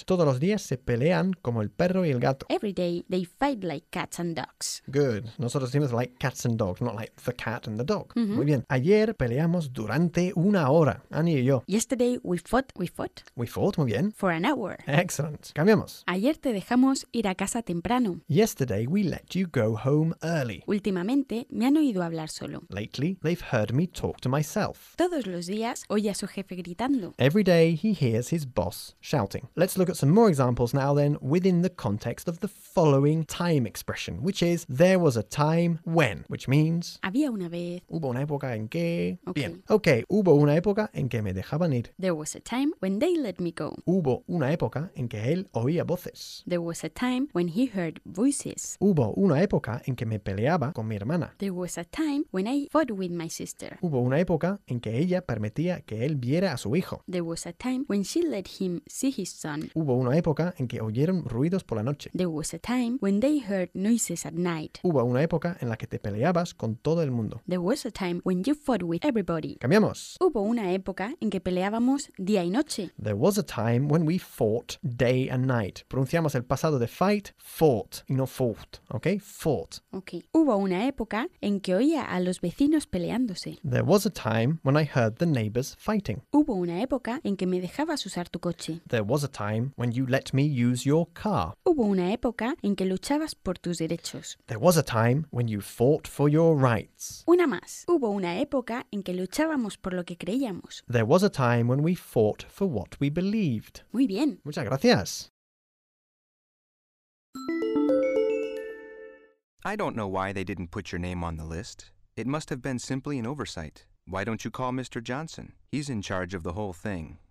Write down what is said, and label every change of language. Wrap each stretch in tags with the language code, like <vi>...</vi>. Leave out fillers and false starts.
<es>Todos los días se pelean como el perro y el gato.</es> <en>Every day they fight like cats and dogs. Good.</en> <es>Nosotros decimos</es> <en>like cats and dogs, not like the cat and the dog. Mm-hmm.</en> <es>Muy bien. Ayer peleamos durante una hora, Annie y yo.</es> <en>Yesterday we fought.</en> <es>Muy bien.</es> <en>For an hour. Excellent.</en> <es>Cambiamos. Ayer te dejamos ir a casa temprano.</es> <en>Yesterday we let you go home early.</en> <es>Últimamente me han oído hablar solo.</es> <en>Lately they've heard me talk to myself.</en> <es>Todos los días oye a su jefe gritando.</es> <en>Every day he hears his boss shouting. Let's look at some more examples now then within the context of the following time expression, which is there was a time when, which means</en> <es>había una vez, hubo una época en que, okay. Bien. Okay, hubo una época en que me dejaban ir.</es> <en>There was a time when they let me go.</en> <es>Hubo una época en que él oía voces.</es> <en>There was a time when he heard voices.</en> <es>Hubo una época en que me peleaba con mi hermana.</es> <en>There was a time when I fought with my sister.</en> <es>Hubo una época en que ella permitía que él viera a su hijo.</es> <en>There was a time when she let him see his son.</en> <es>Hubo una época en que oyeron ruidos por la noche.</es> <en>There was a time when they heard noises at night.</en> <es>Hubo una época en la que te peleabas con todo el mundo.</es> <en>There was a time when you fought with everybody.</en> <es>Cambiamos. Hubo una época en que peleábamos día y noche.</es> <en>There was a time when we fought day and night.</en> <es>Pronunciamos el pasado de fight, fought, y no fought, ¿ok?</es> <en>Fought. Ok.</en> <es>Hubo una época en que oía a los vecinos peleándose.</es> <en>There was a time when I heard the neighbors fighting.</en> <es>Hubo una época en que me dejabas usar tu coche.</es> <en>There was a time when you let me use your car.</en> <es>Hubo una época en que luchabas por tus derechos.</es> <en>There was a time when you fought for your rights.</en> <es>Una más. Hubo una época en que luchábamos por lo que creíamos.</es> <en>There was a time when we fought for what we believed.</en> <es>Muy bien. Muchas gracias.</es> <en>I don't know why they didn't put your name on the list. It must have been simply an oversight. Why don't you call Mr. Johnson? He's in charge of the whole thing.</en>